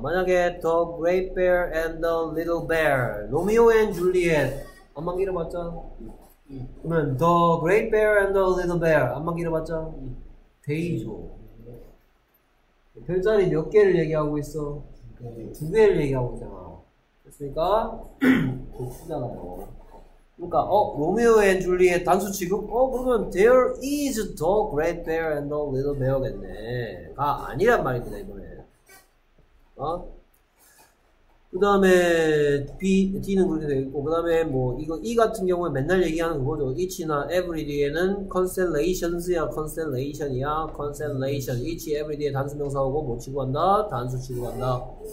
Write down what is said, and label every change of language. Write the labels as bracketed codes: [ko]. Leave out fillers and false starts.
[ko] 만약에 The Great Bear and the Little Bear, 로미오 앤 줄리엣, 암만 길어봤자, 그러면 The Great Bear and the Little Bear, 암만 길어봤자, 데이죠. 별자리 몇 개를 얘기하고 있어? 두 개를 얘기하고 있잖아. 그러니까 복수잖아요. 그러니까 로미오 앤 줄리엣 단수 취급? [en] 그러면 there is the great bear and the little bear겠네. [ko] 가 아니란 말입니다 이번에. 그 다음에 D는 그렇게 되어있고 그 다음에 뭐 이거 E 같은 경우에 맨날 얘기하는 거죠. Each이나 every 뒤에는 constellations야, constellation이야, constellation. Each, every 뒤에 단수 명사하고 뭐 취급한다? 단수 취급한다.